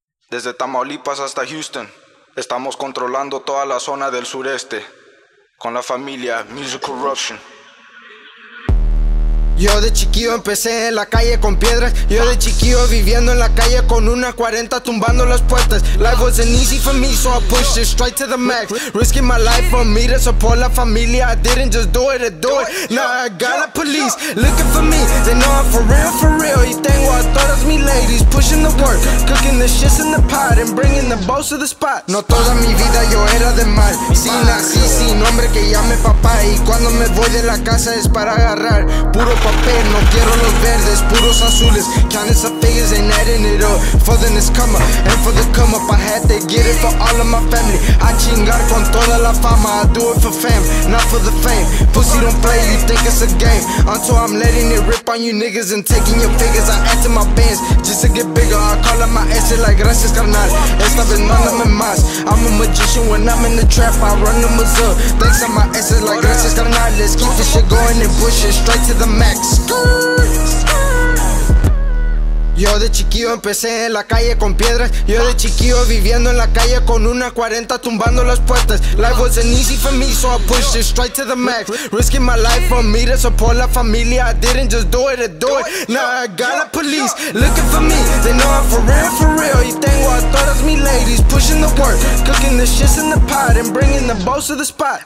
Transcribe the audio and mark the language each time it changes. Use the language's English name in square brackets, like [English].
[Spanish] Desde Tamaulipas hasta Houston, estamos controlando toda la zona del sureste. Con la familia Music Corruption. Yo de chiquillo empecé en la calle con piedras. Yo de chiquillo viviendo en la calle con una 40 tumbando las puertas. [English] Life wasn't easy for me, so I pushed it straight to the max. Risking my life for me to support [Spanish] la familia. [English] I didn't just do it, Now I got a police looking for me. They know I'm for real [Spanish] y tengo a todas mis [English] ladies pushing the work, cooking the shits in the pot and bringing the balls to the spot. [Spanish] No toda mi vida yo era de mal. Si nací sin hombre que llame papá. Y cuando me voy de la casa es para agarrar puro papel, no quiero los verdes, puros azules. [English] Counting some figures and adding it up for the next come up and for the come up. I had to get it for all of my family. [Spanish] A chingar con toda la fama. [English] I do it for fam, not for the fame. Pussy don't play, you think it's a game. Until I'm letting it rip on you niggas and taking your figures. I add to my bands just to get bigger. I call up my S like [Spanish] gracias carnal. Esta vez mándame más. [English] I'm a magician when I'm in the trap. I run them as up. Thanks on my S like [Spanish] gracias carnal. [English] Let's keep this shit going and push it straight to the max. [Spanish] Yo de chiquillo empecé en la calle con piedras. Yo de chiquillo viviendo en la calle con una 40 tumbando las puertas. [English] Life wasn't easy for me, so I pushed it straight to the max. Risking my life for me to support [Spanish] la familia. [English] I didn't just do it. Now I got a police looking for me. They know I'm for real. [Spanish] Y tengo a todas mis [English] ladies pushing the work, cooking the shits in the pot and bringing the balls to the spot.